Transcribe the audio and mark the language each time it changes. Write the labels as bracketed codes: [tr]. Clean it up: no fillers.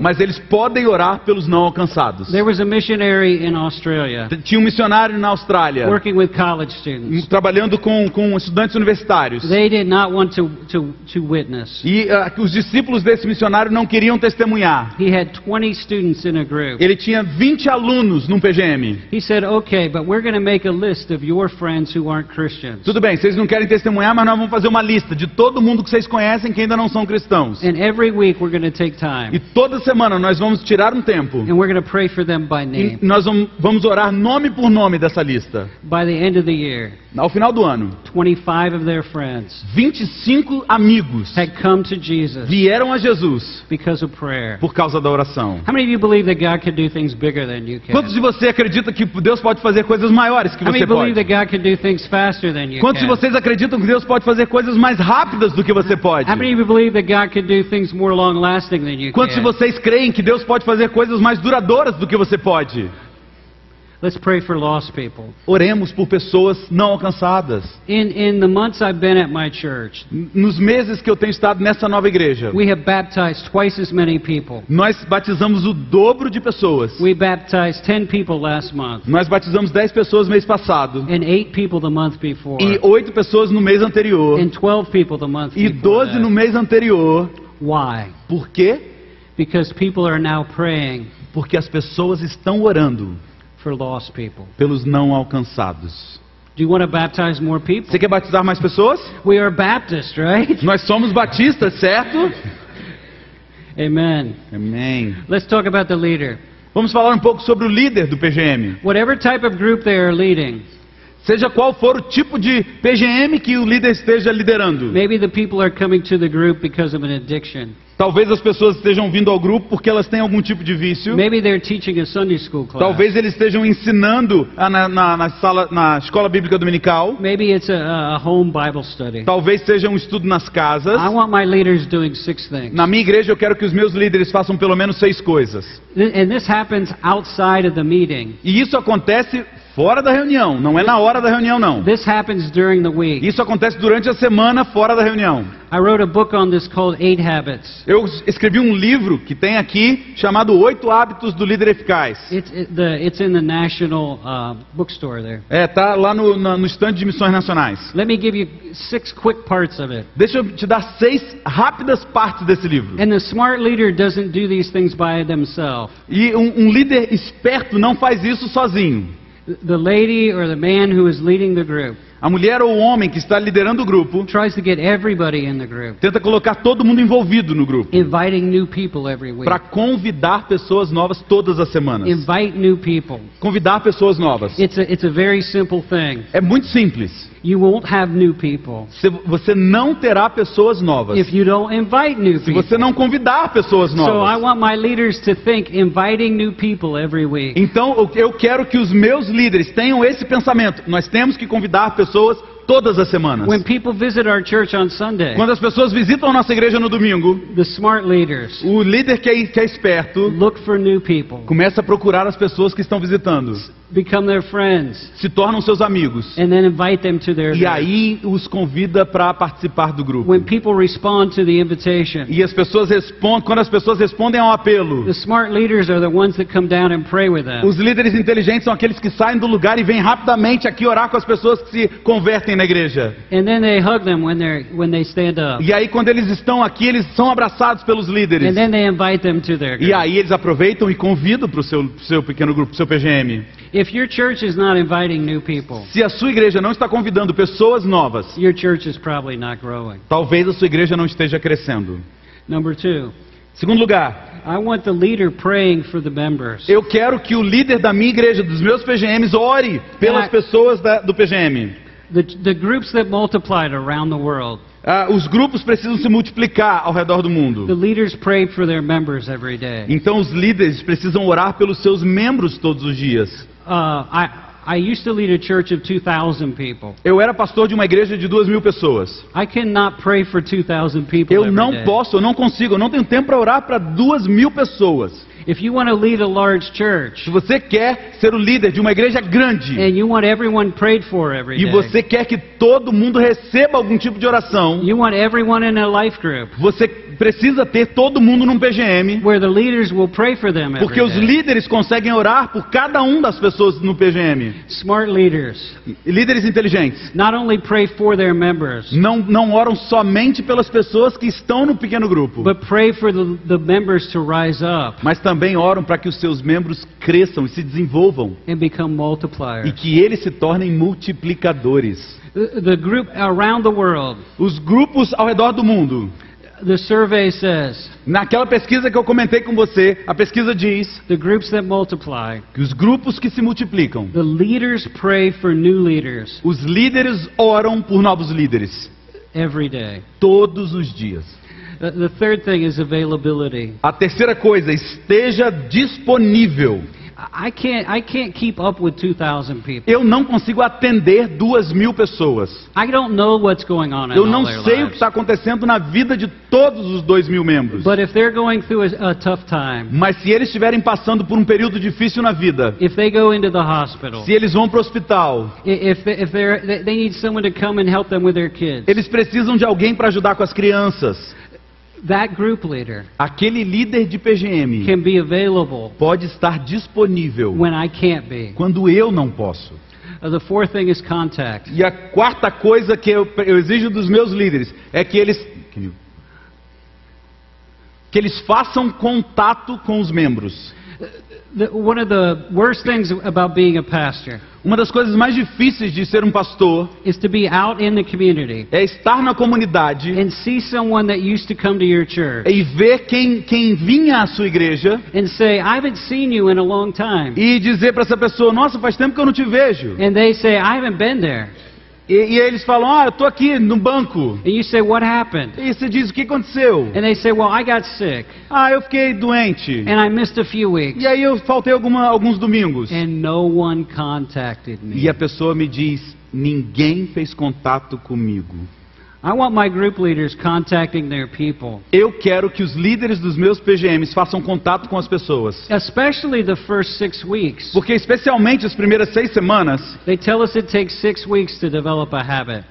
[pt] Mas eles podem orar pelos não alcançados. [en] There was a missionary in Australia. [pt] Tinha um missionário na Austrália. [en] Working with college students. [pt] Trabalhando com estudantes universitários. [en] They did not want to witness. [pt] E os discípulos desse missionário não queriam testemunhar. [en] He had 20 students in a group. [pt] Ele tinha 20 alunos num PGM. [en] He said, "Okay, but we're going to make a list of your friends who aren't Christians." [pt] Tudo bem, vocês não querem testemunhar, mas nós vamos fazer uma lista de todo mundo que vocês conhecem que ainda não são cristãos. [en] And every week we're going to take time. [pt] E toda semana nós vamos tirar um tempo. [en] And we're going to pray for them by name. [pt] E nós vamos orar nome por nome dessa lista. [en] By the end of the year, [pt] ao final do ano, [en] 25 of their friends, [pt] 25 amigos, [en] had come to Jesus, [pt] vieram a Jesus, [en] because of prayer, [pt] por causa da oração. [en] How many of you believe that God can do things bigger than you can? [pt] Quantos de vocês acreditam que Deus pode fazer coisas maiores que você pode? [en] How many believe that God can do things faster than you can? [pt] Quantos de vocês acreditam que Deus pode fazer coisas mais rápidas do que você pode? [en] How many of you believe that God can do things things more long-lasting than you can. [pt] Quantos de vocês creem que Deus pode fazer coisas mais duradouras do que você pode? [en] Let's pray for lost people. [pt] Oremos por pessoas não alcançadas. [en] In the months I've been at my church, [pt] nos meses que eu tenho estado nessa nova igreja, [en] we have baptized twice as many people. [pt] Nós batizamos o dobro de pessoas. [en] We baptized 10 people last month. [pt] Nós batizamos 10 pessoas mês passado. [en] And 8 people the month before. [pt] E 8 pessoas no mês anterior. [en] And 12 people the month [pt] e 12 [en] before [pt] no mês anterior. [en] Why? [pt] Por quê? [en] Because people are now praying. [pt] Porque as pessoas estão orando. [en] For lost people. [pt] Pelos não alcançados. [en] Do you want to baptize more people? [pt] Você quer batizar mais pessoas? [en] We are Baptist, right? [pt] Nós somos batistas, certo? [en] Amen. [pt] Amen. [en] Let's talk about the leader. [pt] Vamos falar um pouco sobre o líder do PGM. [en] Whatever type of group they are leading. [pt] Seja qual for o tipo de PGM que o líder esteja liderando. [en] Maybe the people are coming to the group because of an addiction. [pt] Talvez as pessoas estejam vindo ao grupo porque elas têm algum tipo de vício. [en] Maybe they're teaching a Sunday school class. [pt] Talvez eles estejam ensinando na escola bíblica dominical. [en] Maybe it's a home Bible study. [pt] Talvez seja um estudo nas casas. [en] I want my leaders doing 6 things. [pt] Na minha igreja eu quero que os meus líderes façam pelo menos 6 coisas. [en] And this happens outside of the meeting. [pt] E isso acontece fora da reunião, não é na hora da reunião não. [en] This happens during the week. [pt] Isso acontece durante a semana fora da reunião. [en] I wrote a book on this called 8 Habits. [pt] Eu escrevi um livro que tem aqui chamado 8 Hábitos do Líder Eficaz. [en] It's in the national bookstore there. [pt] É, tá lá no stand de missões nacionais. [en] Let me give you 6 quick parts of it. [pt] Deixa eu te dar 6 rápidas partes desse livro. [en] And the smart leader doesn't do these things by themselves. [pt] E um líder esperto não faz isso sozinho. [en] The lady or the man who is leading the group. [pt] A mulher ou o homem que está liderando o grupo. [en] Tries to get everybody in the group. [pt] Tenta colocar todo mundo envolvido no grupo. [en] Inviting new people every week. [pt] Para convidar pessoas novas todas as semanas. [en] Invite new people. [pt] Convidar pessoas novas. [en] It's a very simple thing. [pt] É muito simples. [en] You won't have new people. [pt] Você não terá pessoas novas. [en] If you don't invite new people. [pt] Se você não convidar pessoas novas. [en] So I want my leaders to think inviting new people every week. [pt] Então eu quero que os meus líderes tenham esse pensamento. Nós temos que convidar pessoas todas as semanas. [en] When people visit our church on Sunday. [pt] Quando as pessoas visitam a nossa igreja no domingo. [en] The smart leaders. [pt] O líder que é esperto. [en] Look for new people. [pt] Começa a procurar as pessoas que estão visitando. [en] Become their friends. [pt] Se tornam seus amigos. [en] And then invite them to their group. [pt] E aí os convida para participar do grupo. [en] When people respond to the invitation. [pt] E as pessoas respondem, quando as pessoas respondem ao apelo. [en] The smart leaders are the ones that come down and pray with them. [pt] Os líderes inteligentes são aqueles que saem do lugar e vêm rapidamente aqui orar com as pessoas que se convertem na igreja. [en] And then they hug them when they stand up. [pt] E aí quando eles estão aqui, eles são abraçados pelos líderes. [en] And then they invite them to their group. [pt] E aí eles aproveitam e convidam para o seu pequeno grupo, seu PGM. [en] If your church is not inviting new people, [pt] se a sua igreja não está convidando pessoas novas, [en] your church is probably not growing. [pt] Talvez a sua igreja não esteja crescendo. [en] Number two. [pt] Segundo lugar. [en] I want the leader praying for the members. [pt] Eu quero que o líder da minha igreja, dos meus PGMs, ore pelas pessoas do PGM. [en] The groups that multiplied around the world. [pt] Os grupos precisam se multiplicar ao redor do mundo. [en] The leaders pray for their members every day. [pt] Então os líderes precisam orar pelos seus membros todos os dias. [en] I used to lead a church of 2,000 people. [pt] Eu era pastor de uma igreja de 2,000 pessoas. [en] I cannot pray for 2,000 people [pt] Eu não posso, eu não consigo, eu não tenho tempo para orar para 2,000 pessoas. [en] If you want to lead a large church, [pt] se você quer ser o líder de uma igreja grande, [en] and you want everyone prayed for every day, [pt] e você quer que todo mundo receba algum tipo de oração, [en] you want everyone in a life group, [pt] você precisa ter todo mundo num PGM, [en] where the leaders will pray for them every [pt] porque os [en] day. [pt] Líderes conseguem orar por cada uma das pessoas no PGM. [en] Smart leaders, [pt] líderes inteligentes, [en] not only pray for their members, [pt] não oram somente pelas pessoas que estão no pequeno grupo, [en] but pray for the members to rise up. [pt] Mas também oram para que os seus membros cresçam e se desenvolvam. [en] And become multipliers. [pt] E que eles se tornem multiplicadores. [en] The group around the world. [pt] Os grupos ao redor do mundo. [en] The survey says, [pt] naquela pesquisa que eu comentei com você, a pesquisa diz [en] the groups that multiply, [pt] que os grupos que se multiplicam, [en] the leaders pray for new leaders, [pt] os líderes oram por novos líderes. [en] Every day. [pt] Todos os dias. [en] The third thing is availability. [pt] A terceira coisa, esteja disponível. [en] I can't keep up with 2,000 people. [pt] Eu não consigo atender 2,000 pessoas. [en] I don't know what's going on. [pt] Eu não sei o que está acontecendo na vida de todos os 2,000 membros. [en] But if they're going through a tough time, [pt] mas se eles estiverem passando por um período difícil na vida, [en] if they go into the hospital, [pt] se eles vão para o hospital, [en] if they need someone to come and help them with their kids, [pt] eles precisam de alguém para ajudar com as crianças. [en] That group leader, [pt] aquele líder de PGM, [en] can be available, [pt] pode estar disponível, [en] when I can't be, [pt] quando eu não posso. [en] The fourth thing is contact. [pt] E a quarta coisa que eu exijo dos meus líderes é que eles façam contato com os membros. [en] One of the worst things about being a pastor, [pt] uma das coisas mais difíceis de ser um pastor, [en] is to be out in the community, [pt] é estar na comunidade, [en] and see someone that used to come to your church, [pt] e ver quem vinha à sua igreja, [en] and say, I haven't seen you in a long time, [pt] e dizer para essa pessoa, nossa, faz tempo que eu não te vejo, [en] and they say, I haven't been there. [pt] E eles falam, ah, eu estou aqui no banco. [en] And you say, what happened? [pt] E você diz, o que aconteceu? [en] And they say, well, I got sick. [pt] Ah, eu fiquei doente. [en] And I missed a few weeks. [pt] E aí eu faltei alguns domingos. [en] And no one contacted me. [pt] E a pessoa me diz, ninguém fez contato comigo. [en] I want my group leaders contacting their people. [pt] Eu quero que os líderes dos meus PGMs façam contato com as pessoas. [en] Especially the first 6 weeks. [pt] Porque especialmente as primeiras 6 semanas. [en] They tell us it takes 6 weeks to develop a habit.